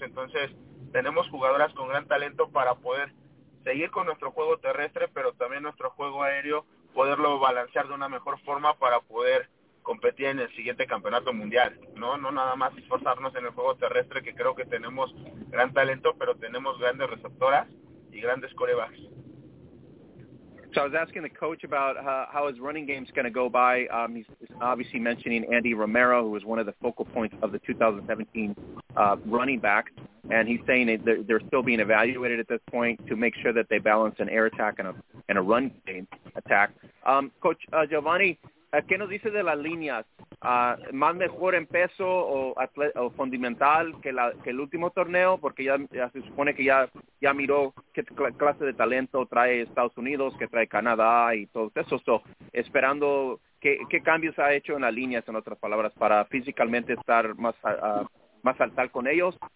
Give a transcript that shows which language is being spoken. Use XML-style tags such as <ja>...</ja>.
<es>Entonces tenemos jugadoras con gran talento para poder seguir con nuestro juego terrestre, pero también nuestro juego aéreo, poderlo balancear de una mejor forma para poder competir en el siguiente campeonato mundial, no nada más esforzarnos en el juego terrestre, que creo que tenemos gran talento, pero tenemos grandes receptoras y grandes corebacks.</es> <en>So I was asking the coach about how his running game's going to go by. He's obviously mentioning Andy Romero, who was one of the focal points of the 2017 running back. And he's saying that they're still being evaluated at this point to make sure that they balance an air attack and a run game attack.</en> <es>Coach Giovanni, ¿qué nos dice de las líneas? ¿Más mejor en peso o fundamental que el último torneo? Porque ya se supone que ya miró qué clase de talento trae Estados Unidos, que trae Canadá y todo eso. So, esperando, ¿qué cambios ha hecho en las líneas, en otras palabras, para físicamente estar más al tal con ellos?</es>